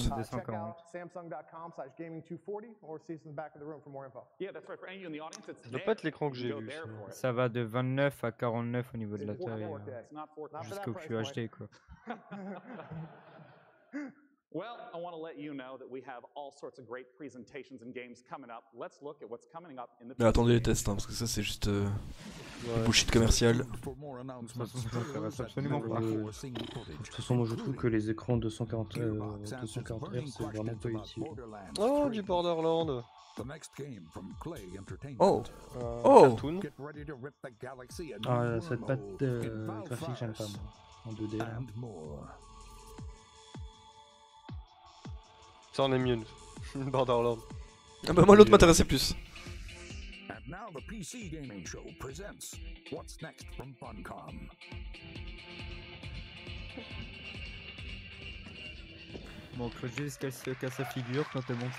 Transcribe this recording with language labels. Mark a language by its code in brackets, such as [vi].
[fr] Ça doit pas être l'écran que j'ai vu. Ça va de 29 à 49 au niveau de la taille jusqu'au QHD quoi. [en] Well, I want to let you know that we have all sorts of great presentations and games coming up. Let's look at what's coming up in the. [fr] Mais attendez les tests, hein, parce que ça c'est juste ouais. [en] Bullshit commercial. [fr] De toute façon, moi je trouve que les écrans 240Hz c'est vraiment pas utile. Oh, du Borderlands. [en] The next game from Clay Entertainment. Oh. Cartoon. Get ready to rip the galaxy in [fr] ah, cette patte graphique j'aime pas moi. En 2D. [en] And more. [fr] Ça en est mieux, Borderlands. Ah bah moi l'autre m'intéressait plus. [en] And now the PC Gaming Show presents What's Next from Funcom. [fr] Bon, faut juste qu'elle se casse la figure quand elle monte.